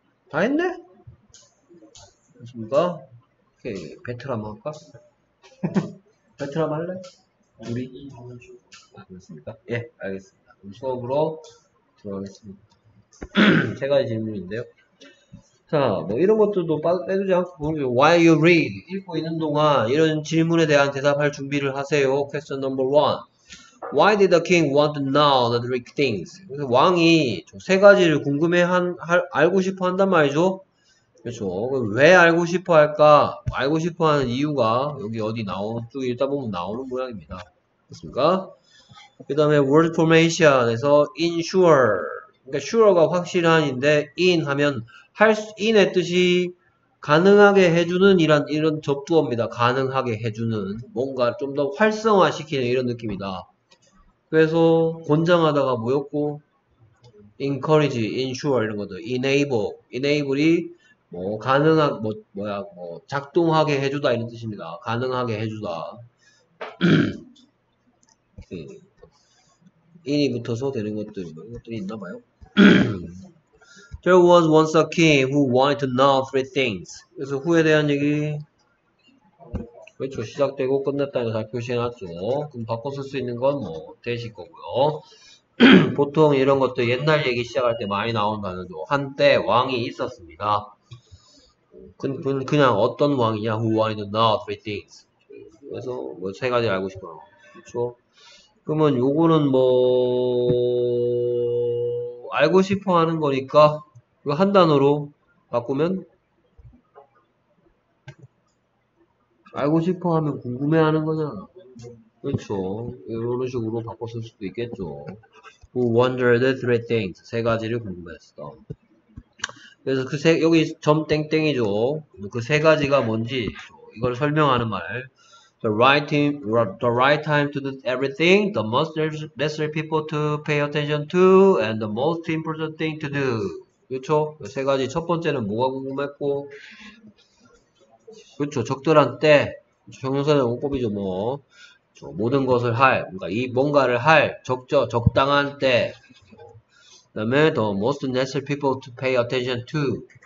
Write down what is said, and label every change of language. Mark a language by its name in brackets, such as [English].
[Korean] 다 했네? 됐습니까? 오케이. 배틀 한번 할까? 배틀 한번 할래? 우리? 알겠습니까? 예, 알겠습니다. 그럼 수업으로 들어가겠습니다. 세 가지 질문인데요. 자, 뭐 이런 것들도 빼두지 않고 보면, [English] Why you read? [Korean] 읽고 있는 동안 이런 질문에 대한 대답할 준비를 하세요. [English] Question number one. Why did the king want to know the three things? [Korean] 그래서 왕이 저 세 가지를 알고 싶어 한단 말이죠. 그렇죠. 왜 알고 싶어 할까? 알고 싶어 하는 이유가 여기 어디 쭉 읽다 보면 나오는 모양입니다. 됐습니까? 그 다음에 word formation에서 ensure. 그러니까 sure가 확실한인데 in 하면 in의 뜻이 가능하게 해주는 이런 접두어입니다. 가능하게 해주는 뭔가 좀 더 활성화시키는 이런 느낌이다. 그래서 권장하다가 뭐였고 encourage, ensure 이런 것도 enable이 뭐 가능한 뭐 작동하게 해주다 이런 뜻입니다. 가능하게 해주다. 인이 붙어서 되는 것들 이런 것들이 있나 봐요. [English] There was once a king who wanted to know three things. [Korean] 그래서 후에 대한 얘기. 그렇죠. 시작되고 끝났다는 잘 표시해놨죠. 그럼 바꿔 쓸 수 있는 건 뭐, 되실 거고요. 보통 이런 것도 옛날 얘기 시작할 때 많이 나온다는 거. 한때 왕이 있었습니다. 그냥 어떤 왕이냐. [English] Who wanted to know three things. [Korean] 그래서 뭐, 세 가지 알고 싶어요. 그렇죠. 그러면 요거는 뭐, 알고 싶어 하는 거니까 이거 한 단어로 바꾸면 알고 싶어 하면 궁금해 하는 거잖아. 그렇죠. 이런 식으로 바꿨을 수도 있겠죠. [English] Who wondered three things. [Korean] 세 가지를 궁금했어. 그래서 여기 점 땡땡이죠. 그 세 가지가 뭔지 이걸 설명하는 말. [English] The right time to do everything, the most necessary people to pay attention to, and the most important thing to do. [Korean] 그쵸? 세 가지. 첫 번째는 뭐가 궁금했고. 그쵸. 적절한 때. 형용사는 원법이죠, 뭐. 그쵸? 모든 것을 할. 뭔가 이 뭔가를 할. 적당한 때. 그 다음에, [English] the most necessary people to pay attention to.